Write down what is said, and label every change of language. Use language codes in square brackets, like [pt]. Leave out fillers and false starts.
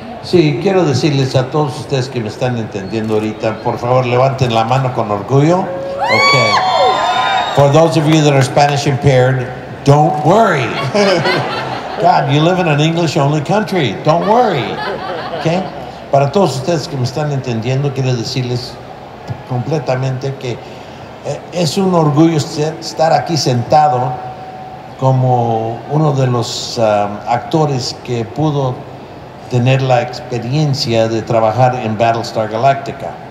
[es] Sí, quiero decirles a todos ustedes que me están entendiendo ahorita, por favor, levanten la mano con orgullo. Okay. [en] For those of you that are Spanish impaired, don't worry. God, you live in an English-only country. Don't worry. Okay? [es] Para todos ustedes que me están entendiendo, quiero decirles completamente que es un orgullo estar aquí sentado como uno de los actores que pudo tener la experiencia de trabajar en Battlestar Galactica.